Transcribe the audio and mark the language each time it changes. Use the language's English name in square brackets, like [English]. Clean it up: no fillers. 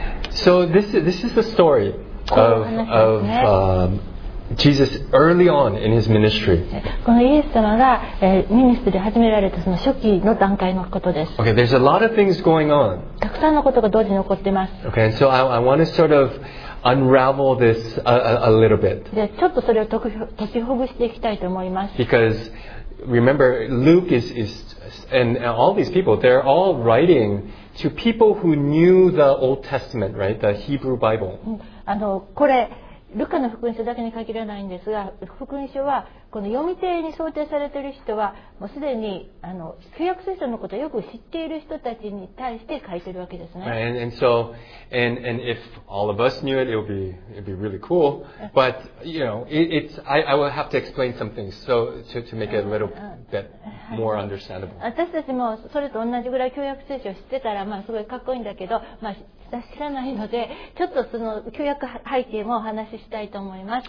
[English] So this is the story of Jesus early on in his ministry. [Japanese] このイエス様が、ミニストリーを始められたその初期の段階のことです。 [English] Okay, there's a lot of things going on. [Japanese] たくさんのことが同時に起こっています。 [English] Okay, so I want to sort of unravel this a little bit. [Japanese] で、ちょっとそれを解きほぐしていきたいと思います。 [English] Because remember, Luke is, and all these people, they're all writing to people who knew the Old Testament, right? The Hebrew Bible. [Japanese] これルカの福音書だけに限らないんですが、福音書はこの読み手に想定されている人はもうすでに旧約聖書のことをよく知っている人たちに対して書いているわけですね。 [English] Right, and so and if all of us knew it'd be really cool. But you know, I will have to explain some things so to make it a little bit more understandable. [Japanese] 私たちもそれと同じぐらい旧約聖書を知ってたらまあすごいかっこいいんだけど、まあ知らないので、ちょっとその旧約背景もお話ししたいと思います。